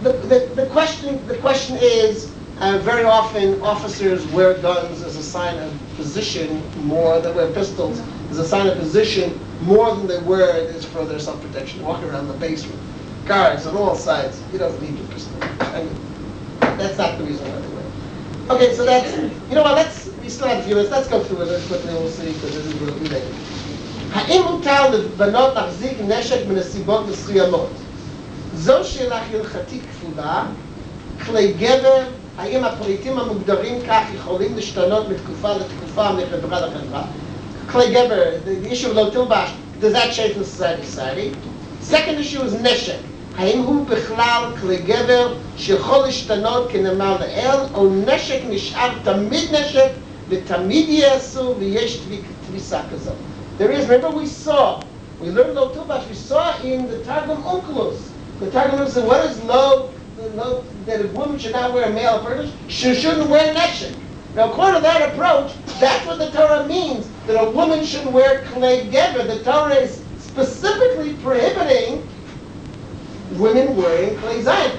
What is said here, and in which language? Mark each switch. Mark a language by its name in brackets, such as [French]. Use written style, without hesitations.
[English] The question is, very often officers wear guns as a sign of position more, they wear pistols as a sign of position more than they wear it is for their self-protection, walking around the base with guards on all sides. You don't need your pistol. I mean, that's not the reason, by the way. Okay, so that's, you know what, we still have a few minutes. Let's go through it quickly, we'll see, because this is really good. [Hebrew] האם מותר לבנות להחזיק נשק בנסיבות מסוימות? זו שאלה הלכתית כפולה. כלי גבר, האם הפריטים המוגדרים כך יכולים להשתנות מתקופה לתקופה מחברה לחברה? [English] כלי גבר, the issue of לא תלבש, does that change from society to society? Second issue is נשק. [Hebrew] האם הוא בכלל כלי גבר שיכול להשתנות כנאמר לאל, או נשק נשאר תמיד נשק ותמיד יהיה אסור ויש תפיסה כזאת? [English] There is, remember we learned Lo Tilbash, we saw in the Targum Onkelos. The Targum Onkelos said, what is Lo, that a woman should not wear a male furnish? She shouldn't wear neshek. Now according to that approach, that's what the Torah means, that a woman shouldn't wear klei geber. The Torah is specifically prohibiting women wearing klei zayin.